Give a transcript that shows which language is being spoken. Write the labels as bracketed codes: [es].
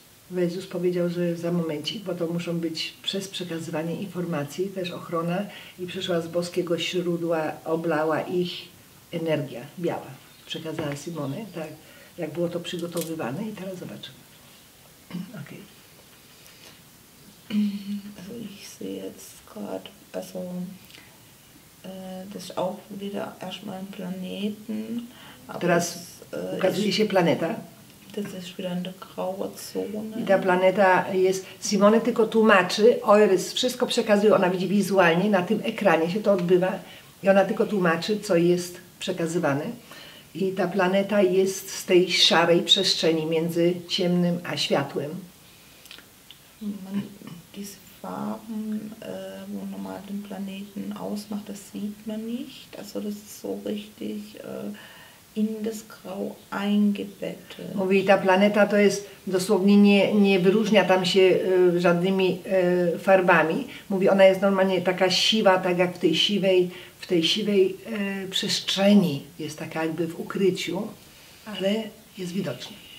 [pl] bo Jezus powiedział, że za momencik, bo to muszą być przez przekazywanie informacji, też ochrona, i przyszła z boskiego źródła, oblała ich energia biała, przekazała Simony, tak jak było to przygotowywane, i teraz zobaczymy. Okej. Okay. [de] Ich sehe jetzt gerade, also das auch wieder erstmal ein Planeten. [pl] Teraz ukazuje się planeta. [de] Das ist wieder eine graue Zone. [pl] I ta planeta jest, Simone tylko tłumaczy, Oerys wszystko przekazuje, ona widzi wizualnie, na tym ekranie się to odbywa i ona tylko tłumaczy, co jest przekazywane. I ta planeta jest z tej szarej przestrzeni między ciemnym a światłem. [de] Man, diese Farben, wo normal den Planeten ausmacht, das sieht man nicht. Also das ist so richtig in das Grau eingebettet. [pl] Mówi, ta planeta to jest dosłownie nie wyróżnia tam się żadnymi farbami. Mówi, ona jest normalnie taka siwa, tak jak w tej siwej przestrzeni jest taka jakby w ukryciu, ale jest widoczna.